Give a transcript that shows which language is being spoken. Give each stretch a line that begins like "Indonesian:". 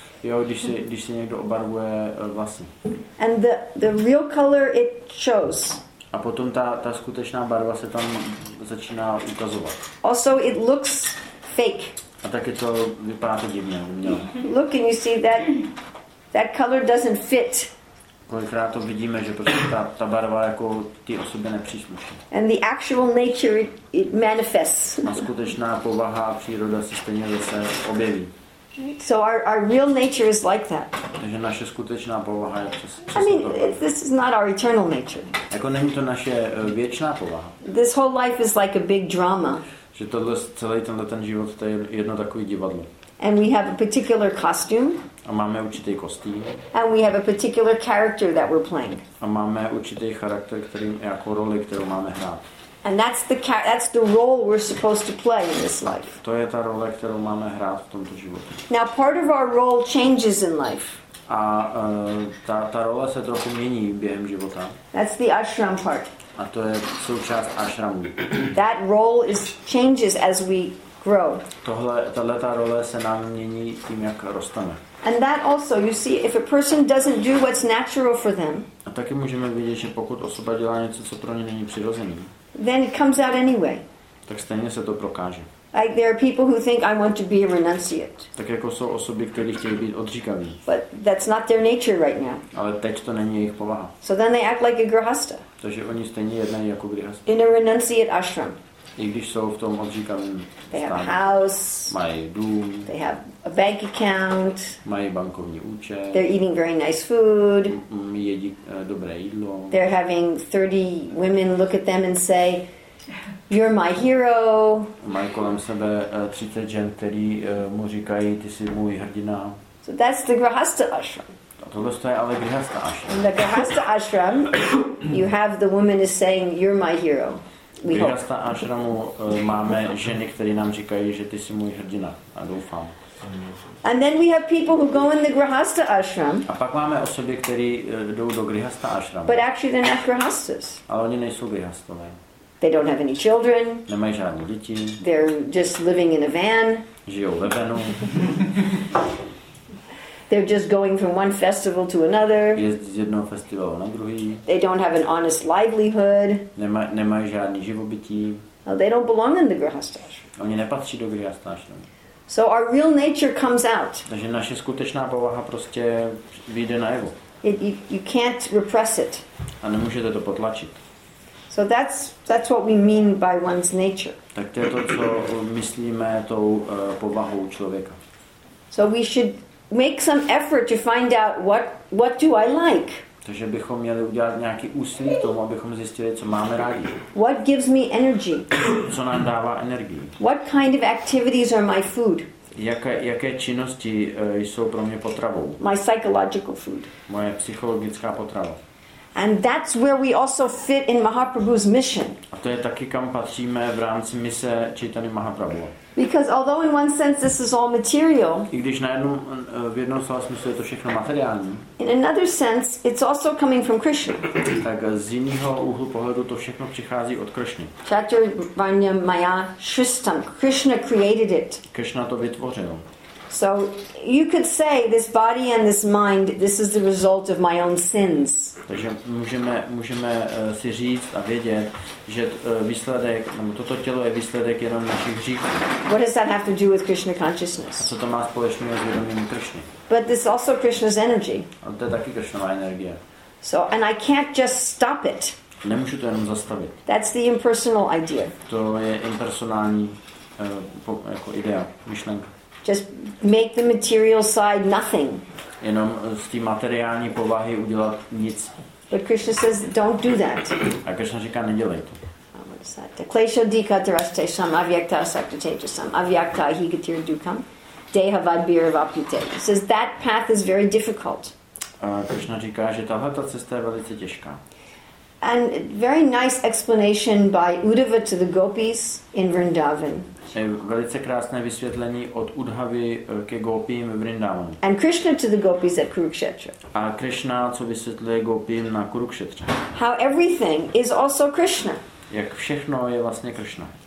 Czech: Jo, když si někdo obarvuje vlasy.
English: And the real color it shows.
Czech: A potom ta skutečná barva se tam začíná ukazovat.
English: Also, it looks fake.
Czech: A taky to vypadá to divně, umělo.
English: Look and you see that color doesn't fit.
Czech: Kolikrát to vidíme, že prostě ta barva jako ty osobě nepřísluší.
English: And the actual nature it manifests.
Czech: A skutečná povaha a příroda se stejně zase objeví.
English: So our real nature is like that.
Czech: Takže naše skutečná povaha je přes
English: I mean, this is not our eternal nature.
Czech: Jako není to naše věčná povaha.
English: This whole life is like a big drama.
Czech: Že tohle, celý tenhle ten život, to je jedno takové divadlo.
English: And we have a particular costume.
Czech: A máme určitý kostým.
English: And we have a particular character that we're playing.
Czech: A máme určitý charakter, kterým jako roli, kterou máme hrát.
English: And that's the role we're supposed to play in this life.
Czech: To je ta role, kterou máme hrát v tomto životě.
English: Now part of our role changes in life.
Czech: A ta role se trochu mění během života.
English: That's the ashram part.
Czech: A to je součást ashramu.
English: That role is changes as we grow.
Czech: Tahle role se nám mění tím, jak rosteme.
English: And that also, you see, if a person doesn't do what's natural for them.
Czech: A taky můžeme vidět, že pokud osoba dělá něco, co pro ně není přirozené.
English: Then it comes out anyway.
Czech: Tak stejně se to prokáže.
English: Like there are people who think I want to be a renunciate.
Czech: Tak jako jsou osoby, které chtějí být odříkaví.
English: But that's not their nature right now.
Czech: Ale teď to není jejich povaha.
English: So then they act like a grihasta.
Czech: Takže oni stejně jednají jako grihasta.
English: In a renunciate ashram.
Czech: I když jsou v tom odříkavém stánu.
English: They have a house.
Czech: Mají dům.
English: They have a bank account.
Czech: Mají bankovní účet.
English: They're eating very nice food.
Czech: Jedí dobré jídlo.
English: They're having 30 women look at them and say, "You're my hero."
Czech: Mají kolem sebe 30 žen, který mu říkají, ty jsi můj hrdina.
English: So that's the grihasta ashram.
Czech: Tohle to je ale grihasta ashram.
English: In the grihasta ashram, you have the woman is saying, "You're my hero."
Czech: V grihasta ashramu máme ženy, které nám říkají, že ty jsi můj hrdina a doufám.
English: And then we have people who go in the grihasta ashram.
Czech: A pak máme osoby, které jdou do grihasta ashramu.
English: But actually they're not grihastas.
Czech: Ale oni nejsou grihastové.
English: They don't have any children.
Czech: Nemají žádné děti.
English: They're just living in a van.
Czech: Žijou ve vanu.
English: They're just going from one festival to another.
Czech: Jezdí z jednoho festivalu na druhý.
English: They don't have an honest livelihood.
Czech: Nemají žádný živobytí.
English: No, they don't belong in the grihasta ashram.
Czech: Oni nepatří do grihasta ashram.
English: So our real nature comes out.
Czech: Takže naše skutečná povaha prostě vyjde najevo.
English: You can't repress it.
Czech: A nemůžete to potlačit.
English: So that's what we mean by one's nature.
Czech: Tak to je to, co myslíme tou povahou člověka.
English: So we should make some effort to find out what do I like.
Czech: Takže bychom měli udělat nějaký úsilí k tomu, abychom zjistili, co máme rádi.
English: What gives me energy?
Czech: Co nám dává energii?
English: What kind of activities are my food?
Czech: Jaké činnosti jsou pro mě potravou?
English: My psychological food.
Czech: Moje psychologická potrava.
English: And that's where we also fit in Mahaprabhu's mission.
Czech: A to je taky, kam patříme v rámci mise Chaitanya Mahaprabhu.
English: Because although in one sense this is all material,
Czech: i když v jednom slova smyslu je to všechno materiální,
English: in another sense it's also coming from Krishna.
Czech: Tak z jiného úhlu pohledu to všechno přichází od Krishny.
Sanskrit: Chaturvarnya Maya Shristam.
English: Krishna created it.
Czech: Krishna to vytvořil.
English: So you could say this body and this mind, this is the result of my own sins.
Czech: Takže můžeme si říct a vědět, že výsledek, nebo toto tělo je výsledek jenom našich hříchů.
English: What does that have to do with Krishna consciousness?
Czech: A co to má společného s vědomím Krishny?
English: But this is also Krishna's energy.
Czech: A to je taky Krishnova energie.
English: So and I can't just stop it.
Czech: Nemůžu to jenom zastavit.
English: That's the impersonal idea.
Czech: To je impersonální jako idea, myšlenka.
English: Just make the material side nothing.
Czech: Jenom z té materiální povahy udělat nic.
English: But Krishna says, don't do that.
Czech: A Krishna říká, nedělej to.
Sanskrit: Klesho dika taraste sam avyakta saktatete sam avyakta higatir dukam dehavadbir vapyte.
English: He says, that path is very difficult.
Czech: A Krishna říká, že tahle ta cesta je velice těžká.
English: And very nice explanation by Uddhava to the gopis in Vrindavan.
Czech: Je velice krásné vysvětlení od Uddhavy ke gopím v Vrindavanu.
English: And Krishna to the gopis at Kurukshetra.
Czech: A Krishna co vysvětluje gopím na Kurukshetře.
English: How everything is also Krishna.
Czech: Jak všechno je vlastně Krishna.